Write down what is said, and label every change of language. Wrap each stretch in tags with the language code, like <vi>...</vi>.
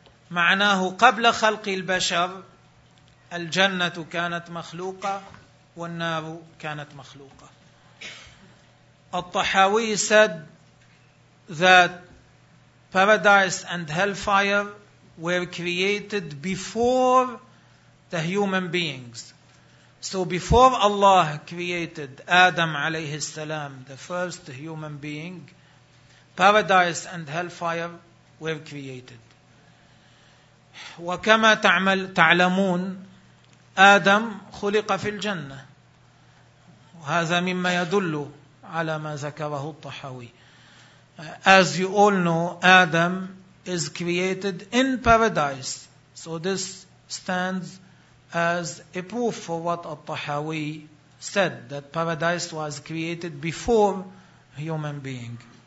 <ar>معناه قبل خلق البشر الجنة كانت مخلوقة والنار كانت مخلوقة.</ar> <en>الطحاوي said that paradise and hellfire were created before the human beings. So before Allah created Adam</en> <ar>عليه السلام,</ar> <en>the first human being, paradise and hellfire were created.</en> <ar>وكما تعلمون آدم خلق في الجنة. وهذا مما يدل على ما ذكره الطحاوي.</ar> <en>As you all know, Adam is created in paradise. So this stands as a proof for what al-Tahawi said, that paradise was created before human being.</en>